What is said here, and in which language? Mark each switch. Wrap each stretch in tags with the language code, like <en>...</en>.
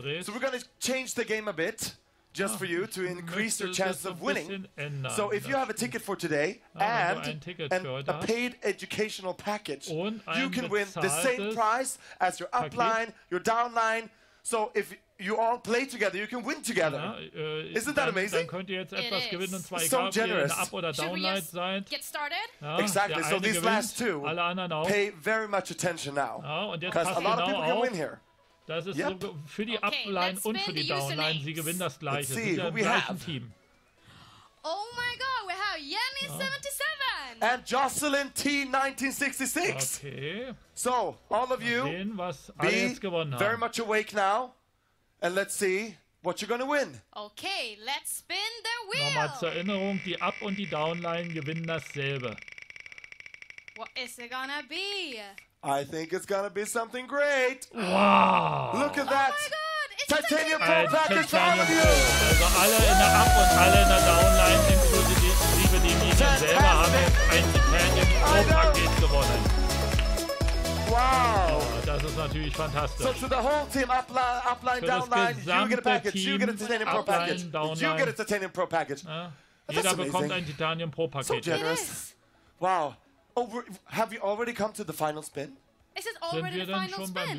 <en>So we're going to change the game a bit. Just for you, to increase your chances of winning. So if you have a ticket for today and a paid educational package, you can win the same prize as your upline, your downline. So if you all play together, you can win together. Isn't that amazing?</en> <de>Dann könnt ihr jetzt etwas gewinnen, und zwar egal, ob ihr in Up- oder Downline seid.</de> <en>Get started? Exactly. So these last 2,</en> <de>alle anderen auch.</de> <en>Pay very much attention now. Because a lot of people can win here.</en> <de>Das ist so für die Upline und für die Downline. Sie gewinnen das Gleiche. Sie sind im gleichen Team.</de> <en>Oh my God, we have Yanni 77 and Jocelyn T 1966. Okay. So, all of you, be very much awake now, and let's see what you're going to win. Okay, let's spin the wheel.</en> <de>Nochmal zur Erinnerung: die Up- und die Downline gewinnen dasselbe.</de> <en>What is it gonna be? I think it's gonna be something great. Wow! Look at that! Oh my God! It's Titanium Pro Package for all of you!</en> <de>Also, alle in der Up- und alle in der Downline, inklusive die Medien selber, haben ein Titanium Pro Package gewonnen.</de> <en>Wow!</en> <de>Das ist natürlich fantastisch.</de> <en>So, to the whole team, Upline, Downline, you get a package, you get a Titanium Pro Package. You get a Titanium Pro Package.</en> <de>Jeder bekommt ein Titanium Pro Package.</de> <en>So generous. Wow! Have you already come to the final spin? Is it already the final spin?</en>